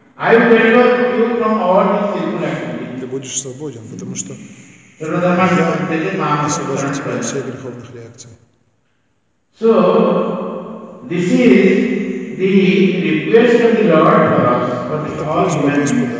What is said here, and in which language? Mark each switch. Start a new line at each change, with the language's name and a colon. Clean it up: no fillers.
English: I will deliver you from all these sinful activities.
Russian: Ты будешь свободен, потому что я освобожу тебя от всех греховных реакций.
English: So, this is the request of the Lord for us, for all humans.